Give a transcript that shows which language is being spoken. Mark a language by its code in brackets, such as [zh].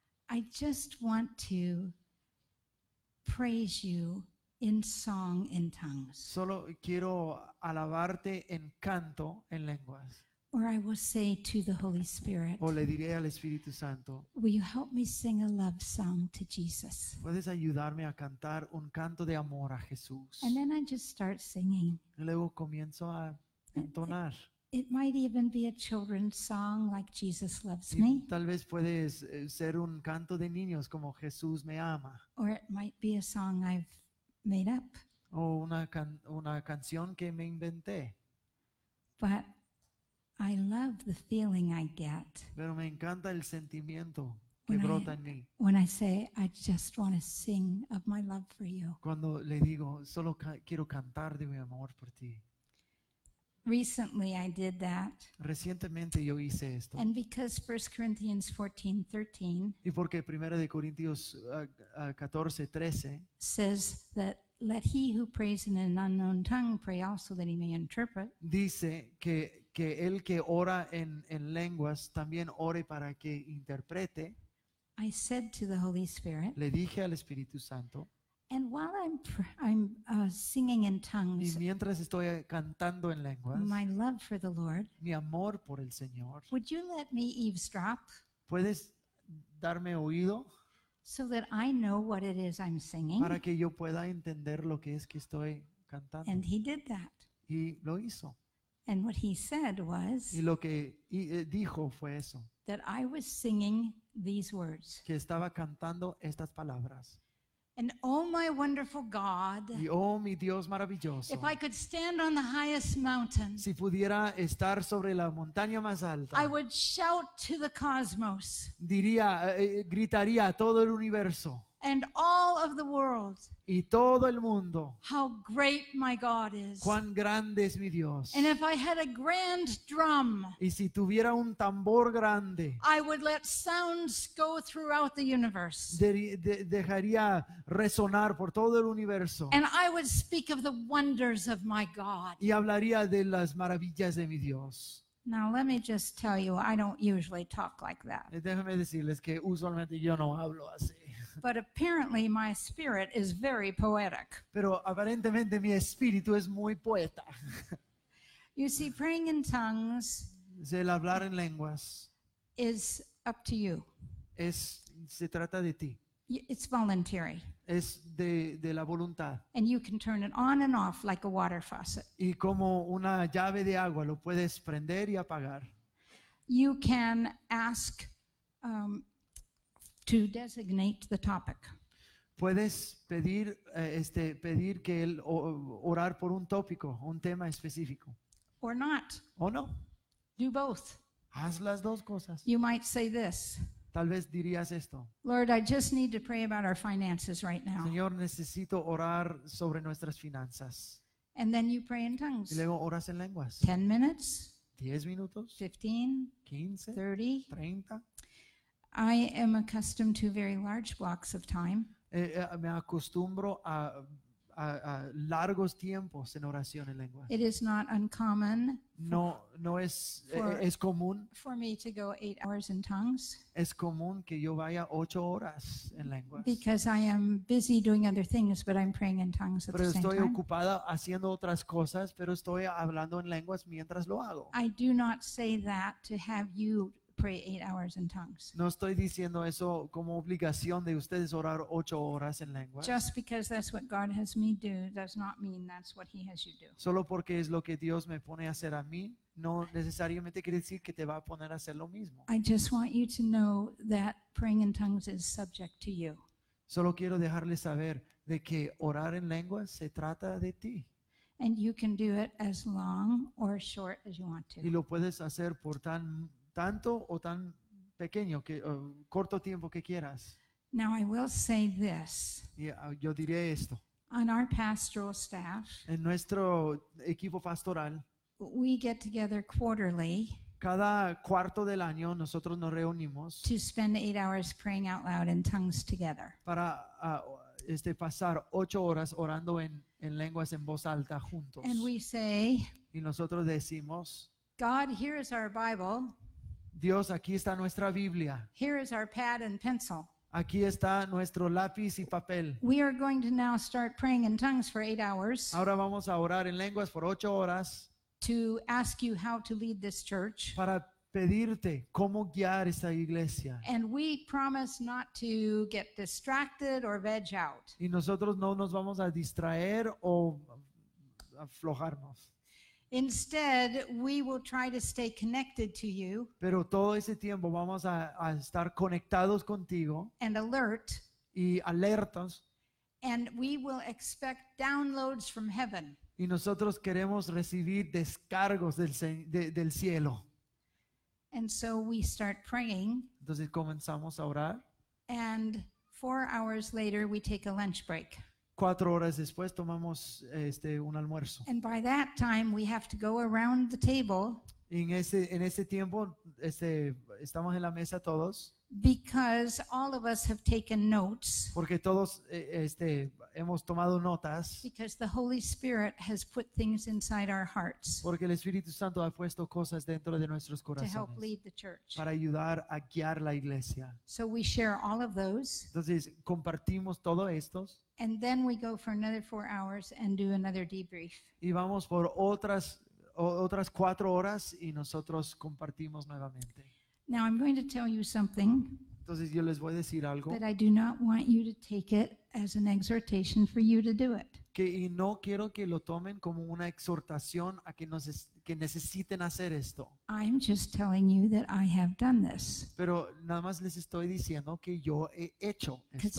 [en] I just want to praise you in song in tongues. [es] Solo quiero alabarte en canto en lenguas. [en] Or I will say to the Holy Spirit, [es] o le diré al Espíritu Santo, [en] will you help me sing a love song to Jesus? [es] ¿Puedes ayudarme a cantar un canto de amor a Jesús? [en] And then I just start singing. [es] Y luego comienzo a entonar. [en] It might even be a children's song like Jesus loves me. [es] Tal vez puede ser un canto de niños como Jesús me ama. [en] Or it might be a song I've made up. [es] O una canción que me inventé. [en] But I love the feeling I get. [es] Pero me encanta el sentimiento que brota en mí. [en] When I say I just want to sing of my love for you. [es] Cuando le digo solo quiero cantar de mi amor por ti. [en] Recently I did that. [es] Recientemente yo hice esto. [en] And because 1 Corinthians 14:13. [es] Y porque Primera de Corintios 14:13 [en] says that let he who prays in an unknown tongue pray also that he may interpret. [es] Dice que el que ora en lenguas también ore para que interprete. [en] I said to the Holy Spirit. [es] Le dije al Espíritu Santo. [en] And while I'm singing in tongues, [es] y mientras estoy cantando en lenguas, [en] my love for the Lord, [es] mi amor por el Señor, [en] would you let me eavesdrop? [es] ¿Puedes darme oído? [en] So that I know what it is I'm singing. [es] Para que yo pueda entender lo que es que estoy cantando. [en] And he did that. [es] Y lo hizo. [en] And what he said was, [es] y lo que dijo fue eso, [en] that I was singing these words, [es] que estaba cantando estas palabras. [en] And oh my wonderful God, [es] y oh mi Dios maravilloso, [en] if I could stand on the highest mountain, [es] si pudiera estar sobre la montaña más alta, [en] I would shout to the cosmos, [es] diría, gritaría a todo el universo, [en] and all of the world, [es] y todo el mundo, [en] how great my God is, [es] cuán grande es mi Dios, [en] and if I had a grand drum, [es] y si tuviera un tambor grande, [en] I would let sounds go throughout the universe, [es] dejaría resonar por todo el universo, [en] and I would speak of the wonders of my God, [es] y hablaría de las maravillas de mi Dios. [en] Now let me just tell you, I don't usually talk like that. [es] Déjame decirles que usualmente yo no hablo así. [en] But apparently my spirit is very poetic. [es] Pero aparentemente mi espíritu es muy poeta. [en] You see, praying in tongues, [es] el hablar en lenguas, [en] is up to you. [es] se trata de ti. [en] It's voluntary. [es] Es de la voluntad. [en] And you can turn it on and off like a water faucet. [es] Y como una llave de agua lo puedes prender y apagar. [en] You can ask to designate the topic. [es] Puedes pedir pedir que él orar por un tópico, un tema específico. [en] Or not. [es] O no. [en] Do both. [es] Haz las dos cosas. [en] You might say this. [es] Tal vez dirías esto. [en] Lord, I just need to pray about our finances right now. [es] Señor, necesito orar sobre nuestras finanzas. [en] And then you pray in tongues. [es] Y luego oras en lenguas. [en] 10 minutes. [es] 10 minutos. [en] 15. [es] 15. [en] 30. [es] 30. [en] I am accustomed to very large blocks of time. [es] Me acostumbro a largos tiempos en oración en lenguas. [en] It is not uncommon. [es] No es común. [en] For me to go 8 hours in tongues. [es] Es común que yo vaya 8 horas en lenguas. [en] Because I am busy doing other things, but I'm praying in tongues at the same time. [es] Pero estoy ocupada haciendo otras cosas, pero estoy hablando en lenguas mientras lo hago. [en] I do not say that to have you pray 8 hours in tongues. [es] No estoy diciendo eso como obligación de ustedes orar 8 horas en lenguas. [en] Just because that's what God has me do does not mean that's what He has you do. [es] Solo porque es lo que Dios me pone a hacer a mí, no necesariamente quiere decir que te va a poner a hacer lo mismo. [en] I just want you to know that praying in tongues is subject to you. [es] Solo quiero dejarles saber de que orar en lenguas se trata de ti. [en] And you can do it as long or short as you want to. [es] Y lo puedes hacer por tanto o tan pequeño, que corto tiempo que quieras. [en] Now I will say this. [es] Yo diré esto. [en] On our pastoral staff, [es] en nuestro equipo pastoral, [en] we get together quarterly. [es] Cada cuarto del año nosotros nos reunimos. [en] To spend 8 hours praying out loud in tongues together. [es] Para pasar 8 horas orando en lenguas en voz alta juntos. [en] And we say, [es] y nosotros decimos, [en] God, here is our Bible. [es] Dios, aquí está nuestra Biblia. [en] Here is our pad and pencil. [es] Aquí está nuestro lápiz y papel. [en] We are going to now start praying in tongues for 8 hours. [es] Ahora vamos a orar en lenguas por 8 horas. [en] To ask you how to lead this church. [es] Para pedirte cómo guiar esta iglesia. [en] And we promise not to get distracted or veg out. [es] Y nosotros no nos vamos a distraer o aflojarnos. [en] Instead, we will try to stay connected to you. [es] Pero todo ese tiempo vamos a estar conectados contigo. [en] And alert. [es] Y alertas. [en] And we will expect downloads from heaven. [es] Y nosotros queremos recibir descargos del cielo. [en] And so we start praying. [es] Entonces comenzamos a orar. [en] And 4 hours later, we take a lunch break. [es] 4 horas después tomamos un almuerzo. [en] And by that time we have to go around the table. [es] En ese tiempo estamos en la mesa todos. [en] Because all of us have taken notes. [es] Porque todos hemos tomado notas. [en] Because the Holy Spirit has put things inside our hearts. [es] Porque el Espíritu Santo ha puesto cosas dentro de nuestros corazones. [en] To help lead the church. [es] Para ayudar a guiar la iglesia. [en] So we share all of those. [es] Entonces compartimos todo estos. [en] And then we go for another 4 hours and do another debrief. [es] Y vamos por otras 4 horas y nosotros compartimos nuevamente. [en] Now I'm going to tell you something. [es] Entonces yo les voy a decir algo. [en] That I do not want you to take it as an exhortation for you to do it. [es] Que y no quiero que lo tomen como una exhortación a que que necesiten hacer esto. [en] I'm just telling you that I have done this. [es] Pero nada más les estoy diciendo que yo he hecho esto.